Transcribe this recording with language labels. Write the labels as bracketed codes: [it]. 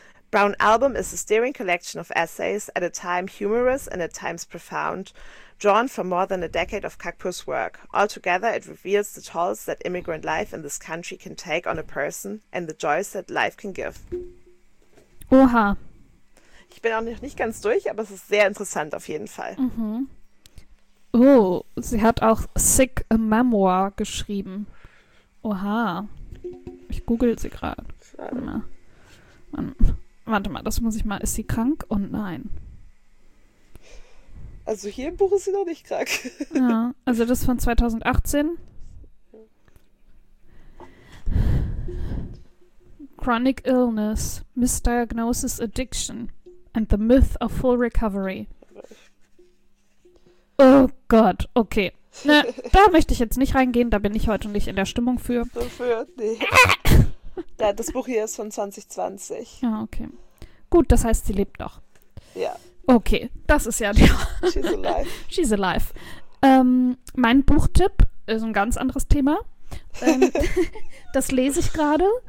[en] Brown Album is a stirring collection of essays, at a time humorous and at times profound, drawn from more than a decade of Kakpur's work. Altogether, it reveals the tolls that immigrant life in this country can take on a person and the joys that life can give. Oha. [de] Ich bin auch noch nicht ganz durch, aber es ist sehr interessant auf jeden Fall. Mhm. Oh, sie hat auch Sick a Memoir geschrieben. Oha. Ich google sie gerade. Warte mal, das muss ich mal. Ist sie krank? Und oh, nein. Also hier im Buch ist sie noch nicht krank. Ja, also das von 2018. [en] Chronic illness, misdiagnosis, addiction and the myth of full recovery. [de] Oh Gott, okay. Ne, da möchte ich jetzt nicht reingehen, da bin ich heute nicht in der Stimmung für. Wofür? Nee. Ja, das Buch hier ist von 2020. Ja, okay. Gut, das heißt, sie lebt doch. Ja. Okay, das ist ja [en] She's alive. She's alive. [de] Mein Buchtipp ist ein ganz anderes Thema. Das lese ich gerade.